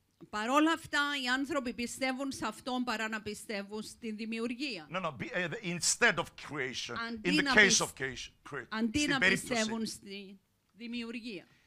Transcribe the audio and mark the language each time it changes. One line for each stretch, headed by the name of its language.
Greek: Παρόλα αυτά, οι άνθρωποι πιστεύουν σε αυτόν παρά να πιστεύουν στην δημιουργία.
English: Instead of creation, in the case of creation.
Greek: Αντί να πιστεύουν στη δημιουργία.